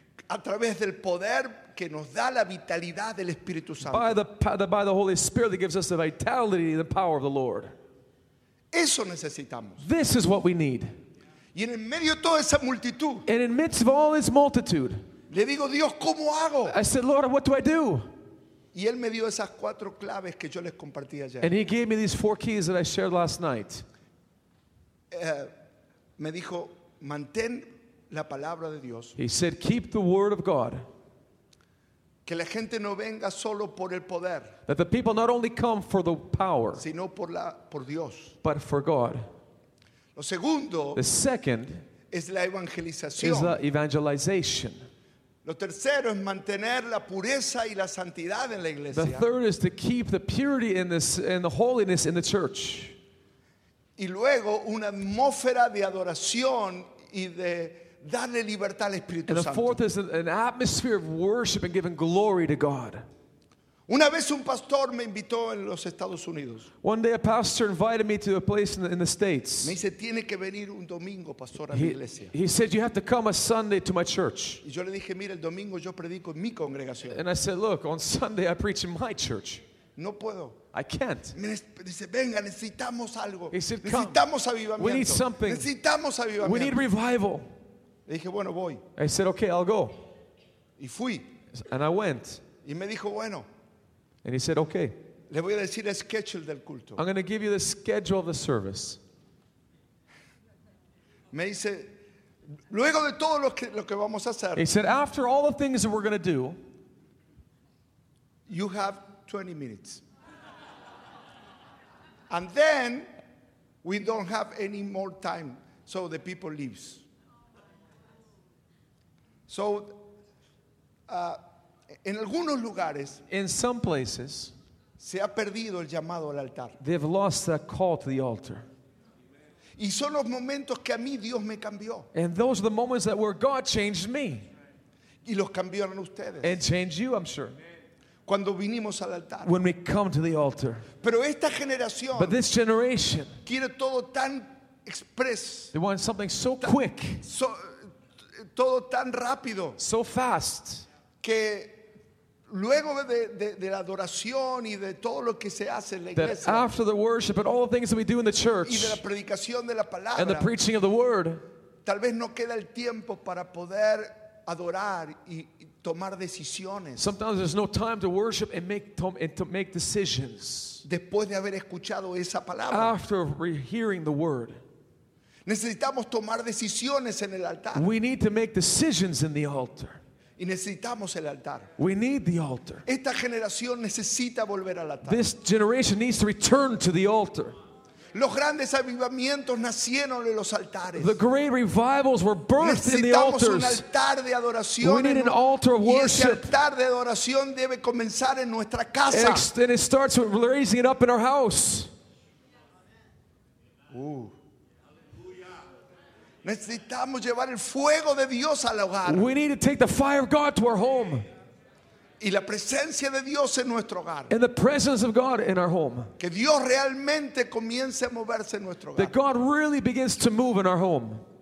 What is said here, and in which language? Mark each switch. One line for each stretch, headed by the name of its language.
Spanish: A través del poder que nos da la vitalidad del Espíritu Santo.
English: By the Holy Spirit that gives us the vitality and the power of the Lord.
Spanish: Eso necesitamos.
English: This is what we need.
Spanish: Y en medio de toda esa multitud,
English: and in midst of all this multitude,
Spanish: le digo, Dios, ¿cómo hago?
English: I said, Lord, what do I do?
Spanish: Y él me dio esas cuatro claves que yo les compartí ayer.
English: And he gave me these four keys that I shared last night.
Spanish: Me dijo, mantén la palabra de Dios.
English: He said, keep the word of God.
Spanish: Que la gente no venga solo por el poder.
English: That the people not only come for the power,
Spanish: sino por la, por Dios.
English: But for God.
Spanish: Lo segundo,
English: the second,
Spanish: es la evangelización.
English: Is the evangelization.
Spanish: Lo tercero es mantener la pureza y la santidad en la iglesia.
English: The third is to keep the purity in this and the holiness in the church.
Spanish: Y luego una atmósfera de adoración y de darle libertad al Espíritu Santo.
English: And the fourth is an atmosphere of worship and giving glory to God.
Spanish: Una vez un pastor me invitó en los Estados Unidos.
English: One day a pastor invited me to a place in the States.
Spanish: Me dice, tiene que venir un domingo, pastor, a mi iglesia.
English: He said, you have to come a Sunday to my church.
Spanish: Y yo le dije, mira, el domingo yo predico en mi congregación.
English: And I said, look, on Sunday I preach in my church.
Spanish: No puedo.
English: I can't.
Spanish: Dice, venga, necesitamos algo.
English: He said,
Spanish: necesitamos
English: avivamiento. We need something.
Spanish: Necesitamos avivamiento.
English: We need revival.
Spanish: Le dije, bueno, voy.
English: I said, okay, I'll go.
Spanish: Y fui.
English: And I went.
Spanish: Y me dijo, bueno.
English: And he said, okay.
Spanish: Le voy a decir el schedule del culto.
English: I'm going to give you the schedule of the service.
Spanish: Me dice, luego de todo lo que vamos a hacer.
English: He said, after all the things that we're going to do, you have 20 minutes. And then we don't have any more time, so the people leaves.
Spanish: So en algunos lugares,
English: in some places,
Spanish: se ha perdido el llamado al altar.
English: They've lost the call to the altar.
Spanish: Y son los momentos que a mí Dios me cambió.
English: And those are the moments that where God changed me.
Spanish: Y los cambiaron ustedes.
English: And changed you, I'm sure.
Spanish: Cuando vinimos al altar.
English: When we come to the altar.
Spanish: Pero esta generación,
English: but this generation,
Spanish: quiere todo tan express.
English: They want something so quick.
Spanish: So, todo tan rápido.
English: So fast.
Spanish: Que luego de la adoración y de todo lo que se hace en la iglesia,
English: that after the worship and all the things that we do in the church,
Spanish: y de la predicación de la palabra,
English: and the preaching of the word,
Spanish: tal vez no queda el tiempo para poder adorar y tomar decisiones.
English: Sometimes there's no time to worship and to make decisions.
Spanish: Después de haber escuchado esa palabra,
English: after hearing the word,
Spanish: necesitamos tomar decisiones en el altar.
English: We need to make decisions in the altar.
Spanish: Y necesitamos el altar.
English: We need the altar.
Spanish: Esta generación necesita volver al altar.
English: This generation needs to return to the altar.
Spanish: Los grandes avivamientos nacieron en los altares.
English: The great revivals were birthed in the altars.
Spanish: Necesitamos un altar de adoración.
English: We need an altar of worship.
Spanish: Y ese altar de adoración debe comenzar en nuestra casa.
English: And it starts with raising it up in our house. Ooh.
Spanish: Necesitamos llevar el fuego de Dios al hogar.
English: We need to take the fire of God to our home.
Spanish: Y la presencia de Dios en nuestro hogar.
English: And the presence of God in our home.
Spanish: Que Dios realmente comience a moverse en nuestro hogar.
English: That God really begins to move in our home.